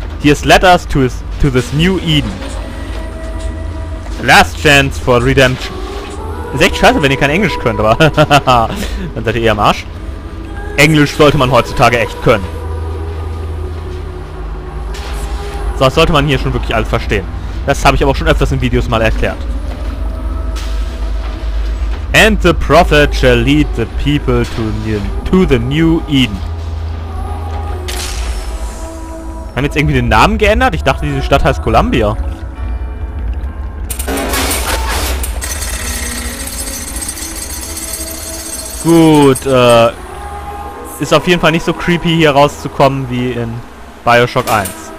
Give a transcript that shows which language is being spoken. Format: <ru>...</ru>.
<en>He has led us to this new Eden. Last chance for redemption.</en> <de>Ist echt scheiße, wenn ihr kein Englisch könnt, aber dann seid ihr eher am Arsch. Englisch sollte man heutzutage echt können. So, das sollte man hier schon wirklich alles verstehen. Das habe ich aber auch schon öfters in Videos mal erklärt.</de> <en>And the prophet shall lead the people to the new Eden.</en> <de>Haben jetzt irgendwie den Namen geändert? Ich dachte, diese Stadt heißt Columbia. Gut, ist auf jeden Fall nicht so creepy hier rauszukommen wie in Bioshock 1.</de>